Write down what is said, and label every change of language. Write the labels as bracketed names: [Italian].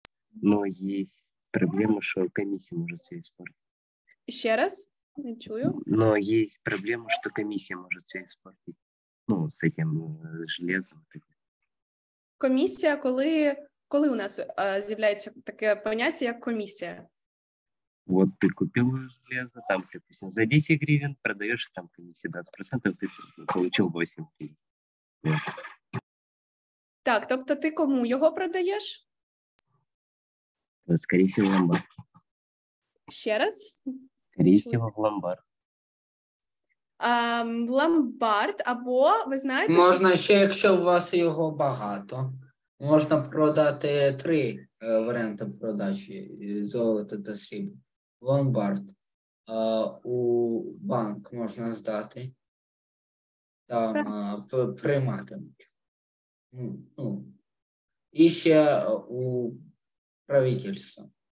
[Ukrainian] Ну, є проблема, що комісія може це іспортити. Ще раз? Не чую. Ну, є проблема, що комісія може це іспортити. Ну, з цим железом. Комісія, коли у нас з'являється таке поняття, як комісія? [Russian] Вот ты купил железо, там, допустим, за 10 гривен продаешь, там комиссия 20%, ты получил 8 гривен. Вот. [Ukrainian] Так, тобто [Russian] ты кому его продаешь? Скорее всего, в ломбард. Еще раз? Скорее всего, в ломбард. В ломбард, або, вы знаете... Можно еще, если у вас его много, можно продать 3 варианта продажи золота до срібла. [Ukrainian] Ломбард, у банк можна здати, там прийматимуть. Ну, і ще у правительство.